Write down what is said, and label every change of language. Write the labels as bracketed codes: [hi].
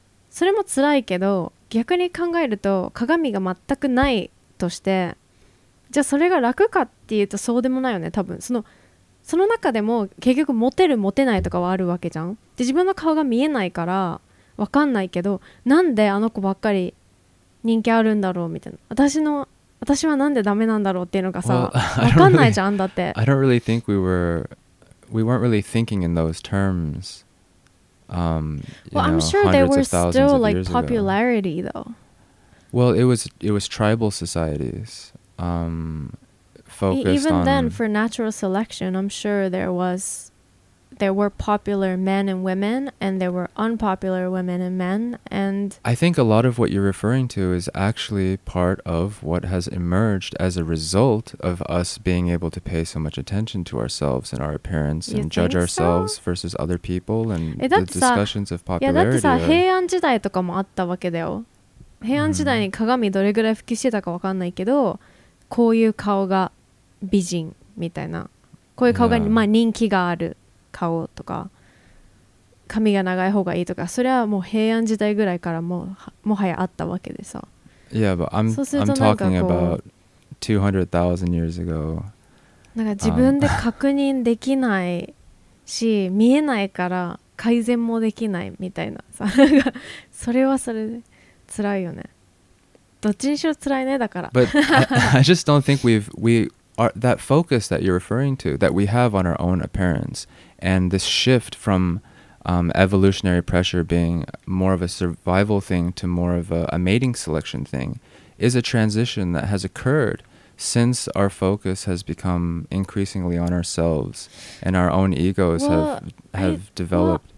[ja] それも辛いけど、逆に考えると鏡が全くないとして、じゃあそれが楽かっていうとそうでもないよね。多分その中でも結局モテるモテないとかはあるわけじゃん。で自分の顔が見えないからわかんないけど、なんであの子ばっかり人気あるんだろうみたいな、私はなんでダメなんだろうっていうのがさ、わかんないじゃん。だって [en] I don't really think we weren't really thinking in those terms. Well, I'm sure there were still like popularity though. Well, it was tribal societies focused on. Even then, for natural selection, I'm sure there were popular men and women, and there were unpopular women and men, and I think a lot of what you're referring to is actually part of what has emerged as a result of us being able to pay so much attention to ourselves and our appearance and judge ourselves versus other people and the discussions of popularity. [ja] だってさ、平安時代とかもあったわけだよ。平安時代に鏡どれぐらい普及してたかわかんないけど、こういう顔が美人みたいな、こういう顔が、まあ人気がある顔とか、髪が長い方がいいとか、それはもう平安時代ぐらいからもはやあったわけでさ。 [en] Yeah, but I'm talking about 200,000 years ago. [ja] なんか自分で確認できないし、見えないから改善もできないみたいなさ。それはそれで辛いよね。どっちにしろ辛いね、だから。 [en] But I just don't think that focus that you're referring to, that we have on our own appearance, and this shift from evolutionary pressure being more of a survival thing to more of a mating selection thing, is a transition that has occurred since our focus has become increasingly on ourselves and our own egos developed.